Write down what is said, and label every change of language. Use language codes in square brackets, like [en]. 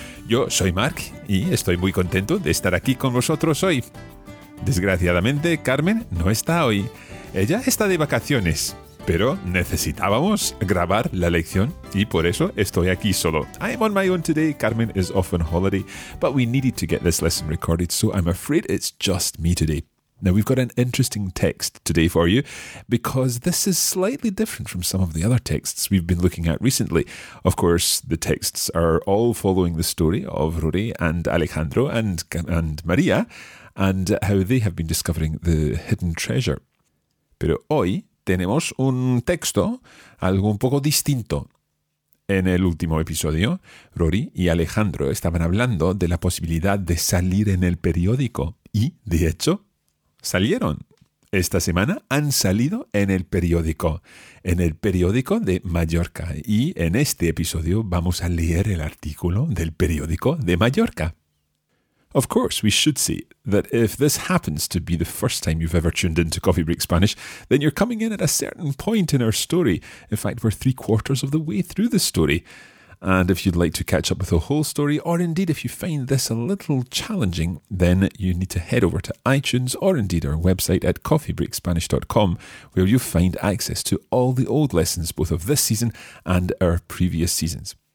[es] Yo soy Mark y estoy muy contento de estar aquí con vosotros hoy. Desgraciadamente, Carmen no está hoy. Ella está de vacaciones, pero necesitábamos grabar la lección y por eso estoy aquí solo. [en] I am on my own today. Carmen is off on holiday, but we needed to get this lesson recorded, so I'm afraid it's just me today. Now, we've got an interesting text today for you because this is slightly different from some of the other texts we've been looking at recently. Of course, the texts are all following the story of Rory and Alejandro and María and how they have been discovering the hidden treasure. [es] Pero hoy tenemos un texto algo un poco distinto. En el último episodio, Rory y Alejandro estaban hablando de la posibilidad de salir en el periódico y, de hecho, salieron. Esta semana han salido en el periódico de Mallorca. Y en este episodio vamos a leer el artículo del periódico de Mallorca. [en] Of course, we should say that if this happens to be the first time you've ever tuned into Coffee Break Spanish, then you're coming in at a certain point in our story. In fact, we're three quarters of the way through the story. And if you'd like to catch up with the whole story, or indeed if you find this a little challenging, then you need to head over to iTunes or indeed our website at coffeebreakspanish.com, where you'll find access to all the old lessons, both of this season and our previous seasons.